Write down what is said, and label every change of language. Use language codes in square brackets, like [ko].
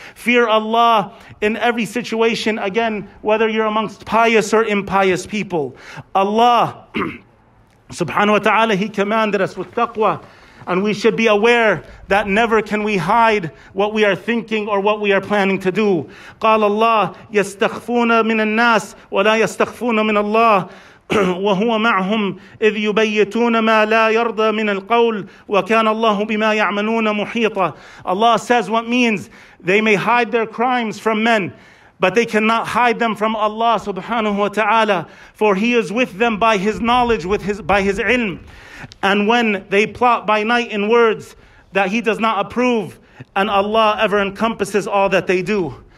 [en] Fear Allah in every situation, again, whether you're amongst pious or impious people. Allah subhanahu wa ta'ala, He commanded us with taqwa. And we should be aware that never can we hide what we are thinking or what we are planning to do. [ar] قال الله يستخفون من الناس ولا يستخفون من الله وهو معهم إذ يبيتون ما لا يرضى من القول وكان الله بما يعملون محيطا. [en] Allah says what means they may hide their crimes from men, but they cannot hide them from Allah subhanahu wa ta'ala, for He is with them by His knowledge, by His ilm. And when they plot by night in words that He does not approve, and Allah ever encompasses all that they do.